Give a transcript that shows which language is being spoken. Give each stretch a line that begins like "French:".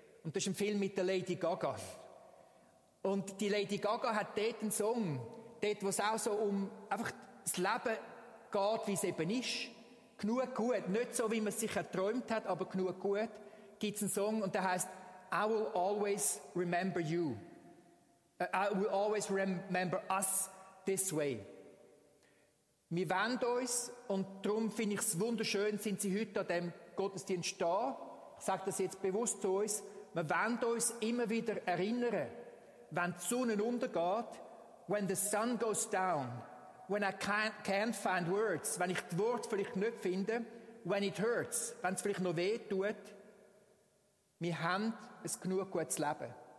German: Und das ist ein Film mit der Lady Gaga. Und die Lady Gaga hat dort einen Song, dort, wo es auch so um einfach das Leben geht, wie es eben ist. Genug gut, nicht so, wie man es sich erträumt hat, aber genug gut, gibt es einen Song und der heißt I will always remember you.
English: I will always remember us this way.
German: Wir wenden uns und darum finde ich es wunderschön, sind Sie heute an dem Gottesdienst da. Ich sage das jetzt bewusst zu uns, Wir wollen uns immer wieder erinnern, wenn die Sonne untergeht,
English: when the sun goes down, when I can't find words,
German: wenn ich das Wort vielleicht nicht finde,
English: when it hurts,
German: wenn es vielleicht noch weh tut, wir haben ein genug gutes Leben.